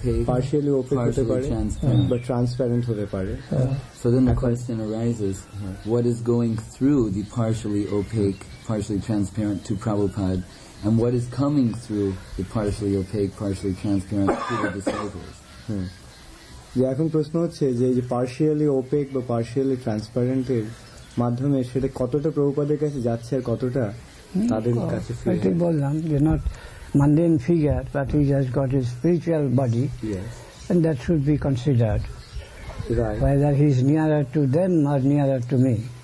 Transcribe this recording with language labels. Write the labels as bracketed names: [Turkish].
[Bangla] Partially opaque হতে পারে বা ট্রান্সপারেন্ট হতে পারে. [English] So then the question arises, what is going through the partially opaque, partially transparent to Prabhupada? And what is coming through the partially opaque, partially transparent to the disciples? [Bangla] Yeah, এখন প্রশ্ন হচ্ছে যে partially opaque বা partially transparent এর মাধ্যমে সেটা কতটা প্রভুপাদের কাছে যাচ্ছে আর কতটা তাদের কাছে ফিরে যাচ্ছে? [English] I [Bangla] বললাম যে [English] not mundane figure, but he has got his spiritual body. Yes. And that should be considered. Right. Whether he is nearer to them or nearer to me.